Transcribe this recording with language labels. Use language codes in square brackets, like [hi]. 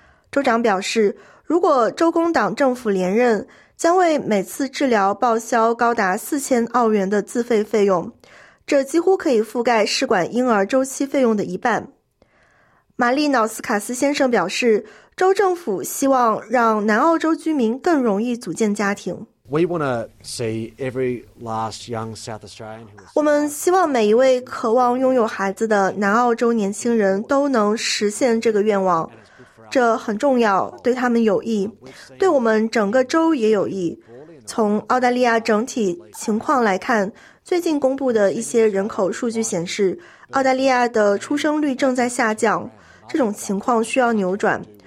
[zh] 州长表示，如果州工党政府连任，将为每次治疗报销高达4000澳元的自费费用，这几乎可以覆盖试管婴儿周期费用的一半。玛丽瑙斯卡斯先生表示，州政府希望让南澳洲居民更容易组建家庭。 [en] We want to see every last young South Australian. [zh] 我们希望每一位渴望拥有孩子的南澳洲年轻人都能实现这个愿望。这很重要，对他们有益，对我们整个州也有益。从澳大利亚整体情况来看，最近公布的一些人口数据显示，澳大利亚的出生率正在下降，这种情况需要扭转。